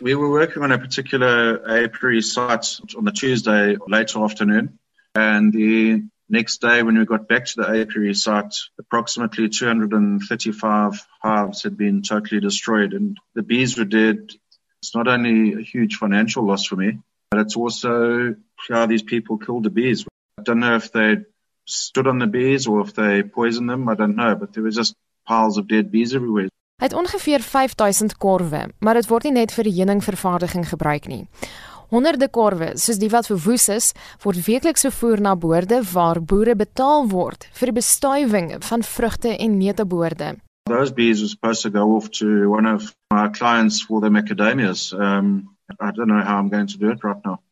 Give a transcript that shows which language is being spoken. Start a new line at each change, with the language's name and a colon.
English: We were working on a particular apiary site on the Tuesday later afternoon, and the next day when we got back to the apiary site, approximately 235 hives had been totally destroyed, and the bees were dead. It's not only a huge financial loss for me, but it's also how these people killed the bees. I don't know if they stood on the bees or if they poisoned them, I don't know, but there were just piles of dead bees everywhere.
Afrikaans: Het ongeveer 5000 korwe, maar het word nie net vir die heuningvervaardiging gebruik nie. Honderde korwe, soos die wat verwoes is, word weekliks vervoer na boorde waar boere betaal word vir die bestuiving van vrugte en neteboorde.
English: Those bees were supposed to go off to one of my clients for the macadamias. I don't know how I'm going to do it right now.